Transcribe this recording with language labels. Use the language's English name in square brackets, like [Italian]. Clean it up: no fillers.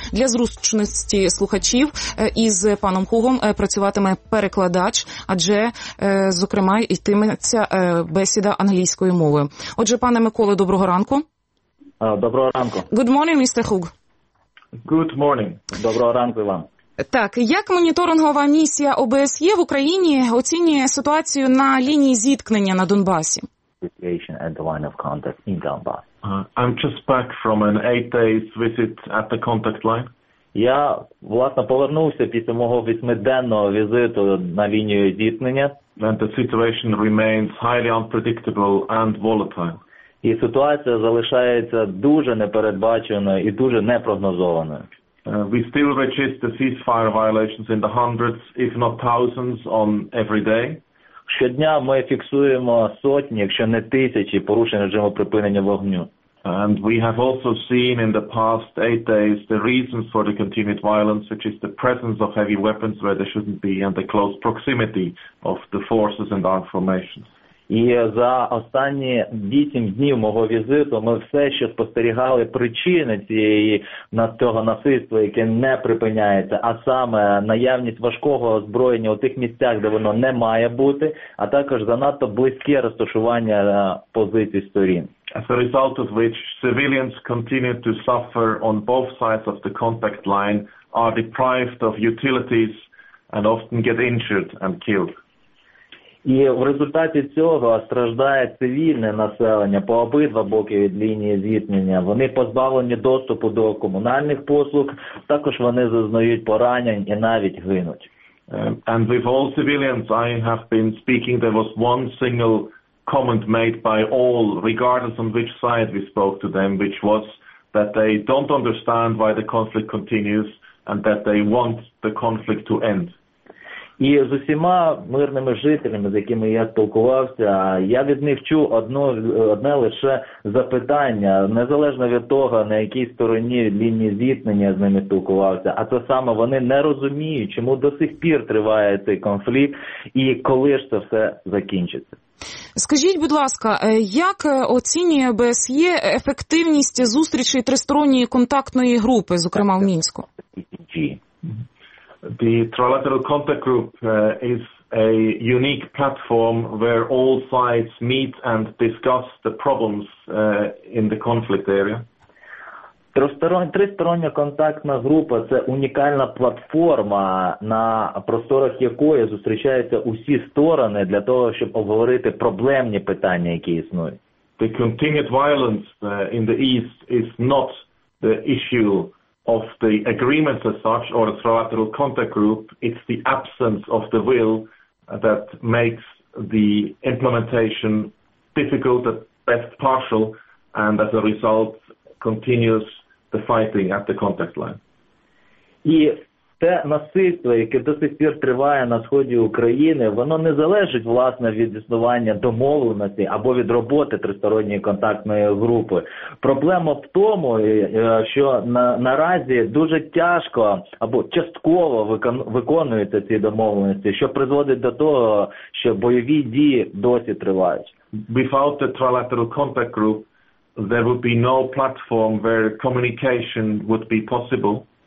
[Ukrainian] Для зручності слухачів із паном Хугом працюватиме перекладач, адже, зокрема, йтиметься бесіда англійською мовою. Отже, пане Миколе, доброго ранку. Доброго ранку. [English] Good morning, Mr. Hug. [Ukrainian] Good morning. Доброго ранку вам. Так, як моніторингова місія ОБСЄ в Україні оцінює ситуацію на лінії зіткнення на Донбасі? [English] Situation at the line of contact in Donbass. I'm just back from an 8-day visit at the contact line. [Ukrainian] Я, власне, повернувся після мого 8-денного візиту на лінію зіткнення. [English] And the situation remains highly unpredictable and volatile. [Ukrainian] І ситуація залишається дуже непередбаченою і дуже непрогнозованою. [English] We still register ceasefire violations in the hundreds, if not thousands, on every day. [Ukrainian] Щодня ми фіксуємо сотні, якщо не тисячі, порушень режиму припинення вогню. [English] And we have also seen in the past 8 days the reasons for the continued violence, which is the presence of heavy weapons where they shouldn't be and the close proximity of the forces and armed formations. [Ukrainian] І за останні 8 днів мого візиту ми все ще спостерігали причини цієї того насильства, яке не припиняється, а саме наявність важкого озброєння у тих місцях, де воно не має бути, а також занадто близьке розташування позицій сторін. [English] As a result of which civilians continue to suffer on both sides of the contact line, are deprived of utilities and often get injured and killed. [Ukrainian] І в результаті цього страждає цивільне населення по обидва боки від лінії зіткнення. Вони позбавлені доступу до комунальних послуг, також вони зазнають поранень і навіть гинуть. [English] And with all civilians I have been speaking, there was one single comment made by all, regardless on which side we spoke to them, which was that they don't understand why the conflict continues and that they want the conflict to end. [Ukrainian] І з усіма мирними жителями, з якими я спілкувався, я від них чув одне лише запитання, незалежно від того, на якій стороні лінії зіткнення з ними спілкувався, а це саме вони не розуміють, чому до сих пір триває цей конфлікт і коли ж це все закінчиться. Скажіть, будь ласка, як оцінює ОБСЄ ефективність зустрічей тристоронньої контактної групи, зокрема в Мінську? [English] The Trilateral Contact Group is a unique platform where all sides meet and discuss the problems in the conflict area. [Ukrainian] Тристороння контактна група – це унікальна платформа, на просторах якої зустрічаються усі сторони для того, щоб обговорити проблемні питання, які існують. [English] The continued violence in the East is not the issue of the agreements as such or a trilateral contact group, it's the absence of the will that makes the implementation difficult, at best partial, and as a result continues the fighting at the contact line. [Ukrainian] Те насильство, яке до сих пір триває на сході України, воно не залежить, власне, від існування домовленості або від роботи тристоронньої контактної групи. Проблема в тому, що наразі дуже тяжко або частково виконуються ці домовленості, що призводить до того, що бойові дії досі тривають. [English] Without the trilateral contact group, there would be no platform where communication would be possible.